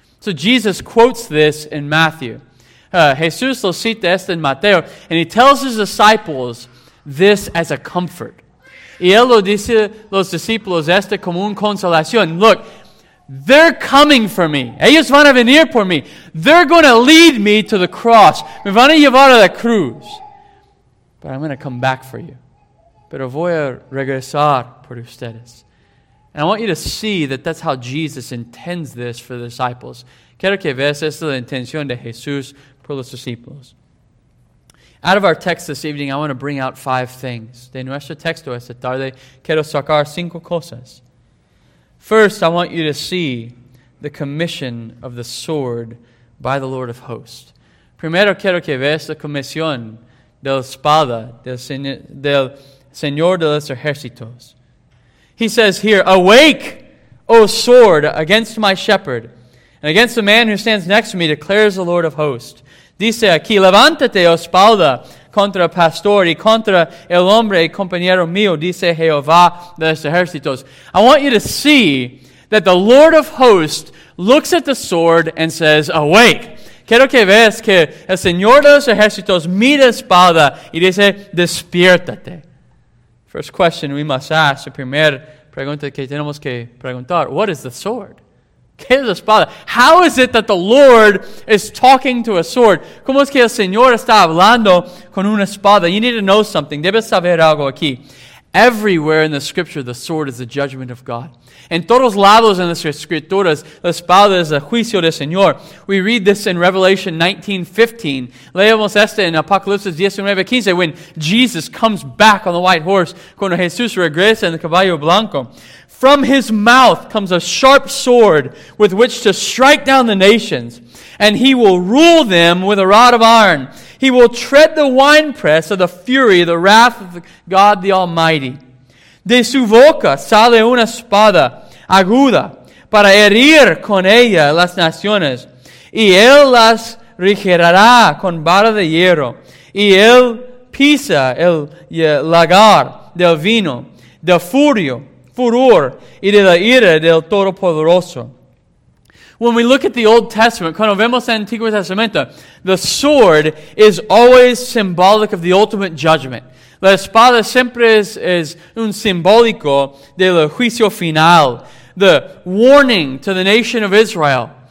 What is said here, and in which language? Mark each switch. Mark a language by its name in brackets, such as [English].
[English] So Jesus quotes this in Matthew. [Spanish] Jesús lo cita esto en Mateo, [English] and he tells his disciples this as a comfort. [Spanish] Y él lo dice los discípulos esto como una consolación. [English] Look, They're coming for me. [Spanish] Ellos van a venir por mí. [English] They're going to lead me to the cross. [Spanish] Me van a llevar a la cruz. [English] But I'm going to come back for you. [Spanish] Pero voy a regresar por ustedes. [English] And I want you to see that that's how Jesus intends this for the disciples. [Spanish] Quiero que veas esto de intención de Jesús por los discípulos. [English] Out of our text this evening, I want to bring out five things. [Spanish] De nuestro texto esta tarde, quiero sacar cinco cosas. [English] First, I want you to see the commission of the sword by the Lord of Hosts. [Spanish] Primero, quiero que veas la comisión de la espada del Señor de los ejércitos. [English] He says here, "Awake, O sword, against my shepherd, and against the man who stands next to me, declares the Lord of Hosts." [Spanish] Dice aquí, "Levántate, O espada, contra pastor y contra el hombre y compañero mío, dice Jehová de los ejércitos." [English] I want you to see that the Lord of Hosts looks at the sword and says, "Awake." [Spanish] Quiero que veas que el Señor de los ejércitos mira espada y dice, "Despiértate." [English] First question we must ask, [Spanish] la primera pregunta que tenemos que preguntar, [English] what is the sword? [Spanish] ¿Qué es la espada? [English] How is it that the Lord is talking to a sword? [Spanish] ¿Cómo es que el Señor está hablando con una espada? [English] You need to know something. [Spanish] Debes saber algo aquí. [English] Everywhere in the scripture, the sword is the judgment of God. [Spanish] En todos lados en las escrituras, la espada es el juicio del Señor. [English] We read this in Revelation 19:15. [Spanish] Leemos esto en Apocalipsis 19:15, [English] when Jesus comes back on the white horse, [Spanish] cuando Jesús regresa en el caballo blanco. [English] From his mouth comes a sharp sword with which to strike down the nations, and he will rule them with a rod of iron. He will tread the winepress of the fury, the wrath of God the Almighty. [Spanish] De su boca sale una espada aguda para herir con ella las naciones, y él las rigerará con vara de hierro, y él pisa el lagar del vino, del furor, y de la ira del Todopoderoso. [English] When we look at the Old Testament, [Spanish] cuando vemos el Antiguo Testamento, [English] the sword is always symbolic of the ultimate judgment. [Spanish] La espada siempre es un simbólico del juicio final. [English] The warning to the nation of Israel.